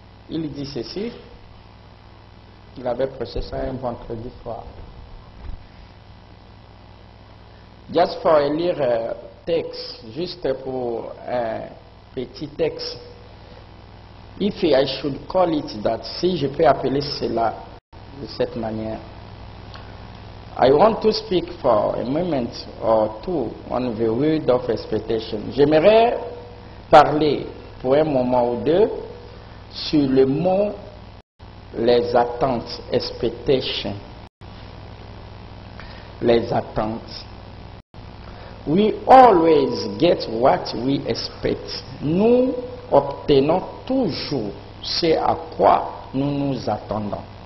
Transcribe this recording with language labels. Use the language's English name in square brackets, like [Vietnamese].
[French] Il dit ceci, il avait prêché ça un vendredi soir. [English] Just for a little text, [French] juste pour un petit texte. [English] If I should call it that, [French] si je peux appeler cela de cette manière. [English] I want to speak for a moment or two on the word of expectation. [French] J'aimerais parler pour un moment ou deux sur le mot les attentes, expectation. Les attentes. [English] We always get what we expect. [French] Nous obtenons toujours ce à quoi nous nous attendons.